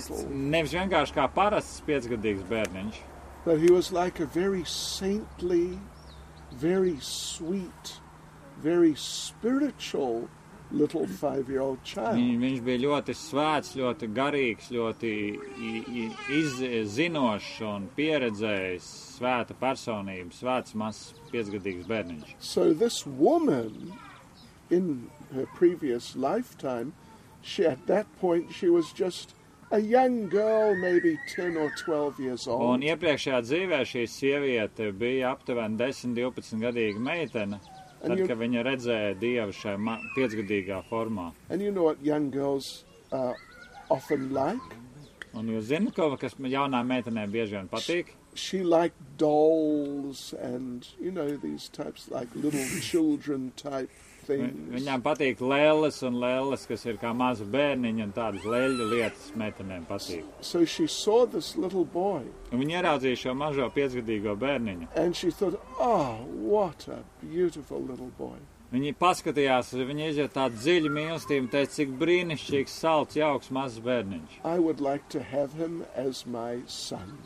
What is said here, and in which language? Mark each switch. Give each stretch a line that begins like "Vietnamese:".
Latvian: Nevis vienkārši kā parasts 5-gadīgs bērniņš.
English: But he was like a very saintly, very sweet, very spiritual little 5-year-old child.
Latvian: Viņš bija ļoti svēts, ļoti garīgs, ļoti izzinošs un pieredzējis svēta personība, svēts mazs 5-gadīgs bērniņš.
English: So this woman in her previous lifetime, she at that point she was just a young girl, maybe 10 or 12 years old.
Latvian: Un iepriekšējā dzīvē šī sieviete bija aptuveni 10-12 gadīga meitene. Tad, ka viņa redzēja Dievu šai 5-gadīgā formā.
English: And you know what young girls often like?
Latvian: Un jūs zinat, ko, kas jaunā meitenē bieži vien patīk?
English: She liked dolls and, you know, these types like little children type things.
Latvian: Viņām patīk lēles un lēles, kas ir kā maza bērniņa un tādas lēļu lietas meitenēm patīk.
English: So she saw this little boy.
Latvian: Un viņa ieraudzīja šo mažo 5-gadīgo bērniņu.
English: And she thought, oh, what a beautiful little boy.
Latvian: Viņa paskatījās, viņa izjūt tādu dziļu mīlestību, teica, cik brīnišķīgs, salts, jauks, mazs bērniņš.
English: I would like to have him as my son.